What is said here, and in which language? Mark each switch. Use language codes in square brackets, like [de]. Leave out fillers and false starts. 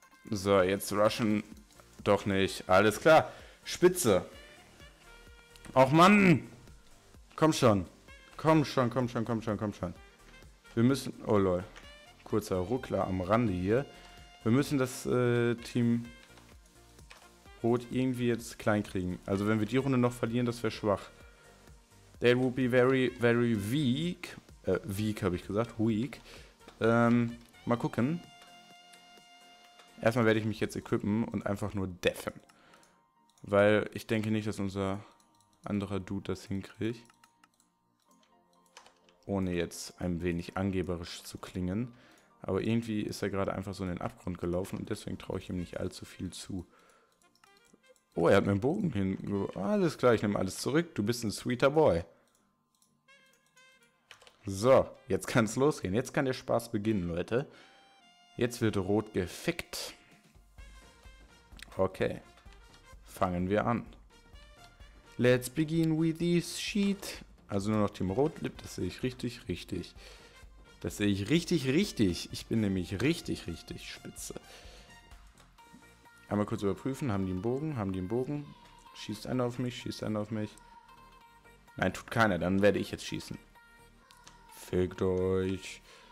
[de] So, jetzt rushen. Doch nicht. Alles klar. Spitze. Och Mann. Komm schon. Komm schon, komm schon, komm schon, komm schon. Wir müssen... Oh lol. Kurzer Ruckler am Rande hier. Wir müssen das Team Rot irgendwie jetzt klein kriegen. Also wenn wir die Runde noch verlieren, das wäre schwach. [en] They will be very, very weak. [de] Weak habe ich gesagt. Weak. Mal gucken. Erstmal werde ich mich jetzt equippen und einfach nur deffen. Weil ich denke nicht, dass unser anderer Dude das hinkriegt. Ohne jetzt ein wenig angeberisch zu klingen. Aber irgendwie ist er gerade einfach so in den Abgrund gelaufen und deswegen traue ich ihm nicht allzu viel zu. Oh, er hat mir einen Bogen hin. Alles klar, ich nehme alles zurück. Du bist ein sweeter Boy. So, jetzt kann es losgehen. Jetzt kann der Spaß beginnen, Leute. Jetzt wird Rot gefickt. Okay. Fangen wir an. [en] Let's begin with this sheet. [de] Also nur noch Team Rot. Das sehe ich richtig, richtig. Das sehe ich richtig, richtig. Ich bin nämlich richtig, richtig spitze. Einmal kurz überprüfen. Haben die einen Bogen? Haben die einen Bogen? Schießt einer auf mich? Schießt einer auf mich? Nein, tut keiner. Dann werde ich jetzt schießen. Fickt euch.